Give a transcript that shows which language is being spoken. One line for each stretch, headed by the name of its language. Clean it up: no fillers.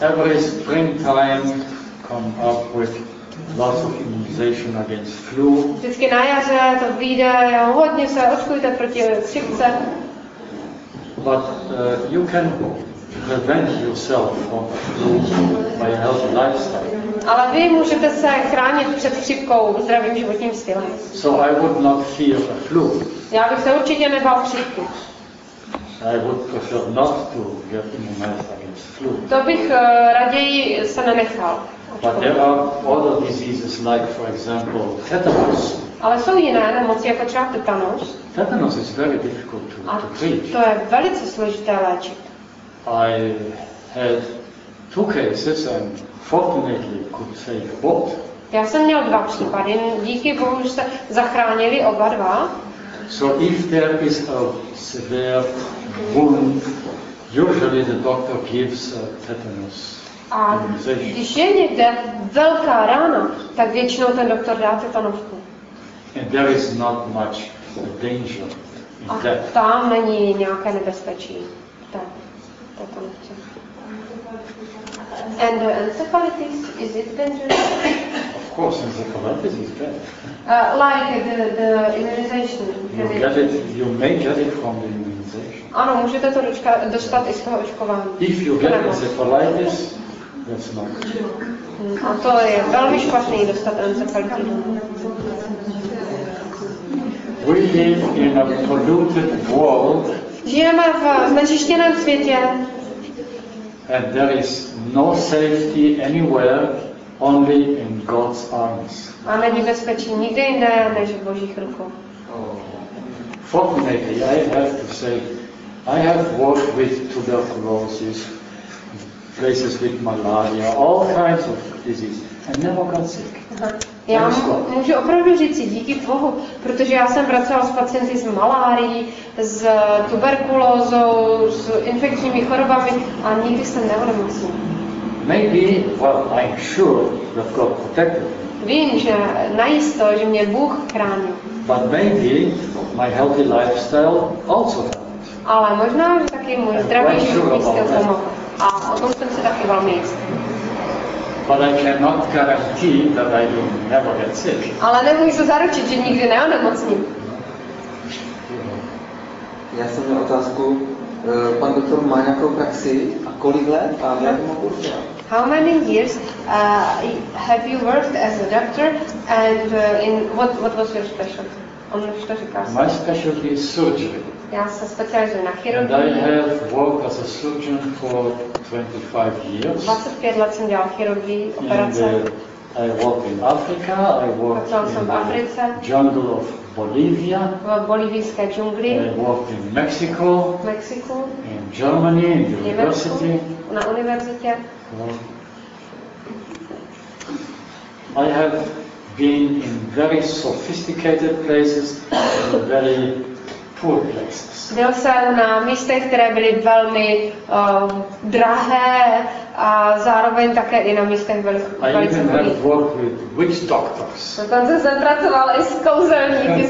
English: Every springtime come up with lots of immunization against flu.
Czech: Vždycky na jaře to vyjde, hodně se očkujte proti chřipce.
English: But you can prevent yourself from flu by a healthy lifestyle.
Czech: Ale vy můžete se chránit před chřipkou zdravým životním stylem.
English: So I would not fear a flu.
Czech: Já bych se určitě nebál chřipky.
English: I would prefer not to get immunized against flu.
Czech: To bych raději se nenechal.
English: But there are other diseases like, for example, tetanus.
Czech: Ale jsou jiné nemoci, jako třeba tetanus.
English: Tetanus is very difficult to treat.
Czech: To je velice složité léčit.
English: I had two cases and fortunately could save both.
Czech: Já jsem měl dva případy, díky Bohu se zachránili oba dva.
English: So if there is a severe wound, usually the doctor gives tetanus.
Czech: A když je někde velká rána, tak většinou ten doktor dá tetanovku.
English: And there is not much danger in that.
Czech: A tam není nějaké nebezpečí. Tak, tetanovce.
English: And encephalitis, is it dangerous? Of course, encephalitis is bad. Like the immunization. You get it, you may get it from the immunization.
Czech: Ano, můžete to dostat i z toho očkování.
English: If you get encephalitis, that's not good.
Czech: A to je velmi špatný dostat encephalitis.
English: We live in a polluted world.
Czech: Žijeme v znečištěném světě.
English: And there is no safety anywhere, only in God's arms.
Czech: A není bezpečí nikde jinde než v Božích rukou.
English: Fortunately, I have to say, I have worked with tuberculosis, places with malaria, all kinds of diseases, and never got sick.
Czech: Já můžu opravdu říct si díky Bohu, protože já jsem pracoval s pacienty s malárií, s tuberkulózou, s infekčními chorobami a nikdy jsem neonemocnil.
English: Maybe, well, I'm sure that God protected me.
Czech: Vím, že najisto, že mě Bůh chránil.
English: But maybe my healthy lifestyle also helped.
Czech: Ale možná, že taky můj zdravý životní styl pomohl. A o tom jsem si taky velmi jistý.
English: But I cannot guarantee that I will never get sick.
Czech: Ale nemůžu zaručit, že nikdy neonemocním. Já jsem měl otázku. Pan doktor má nějakou praxi a kolik let a v jakém oboru?
English: How many years have you worked as a doctor and in what was your specialty?
Czech: On co říkáš?
English: My specialty is surgery.
Czech: Já se specializuji na chirurgii.
English: And I have worked as a surgeon for 25 years.
Czech: 25 let jsem dělal chirurgii, operace.
English: I work in Africa, I work in
Czech: Africe,
English: the jungle of Bolivia,
Czech: v bolivijské džungli,
English: I work in Mexico,
Czech: Mexico,
English: in Germany, in the university.
Czech: Na univerzitě.
English: I have been in very sophisticated places and very poor places.
Czech: Byl jsem na místech, které byly velmi drahé, a zároveň také i na místech velice chudých. Dokonce jsem pracoval i s kouzelníky, s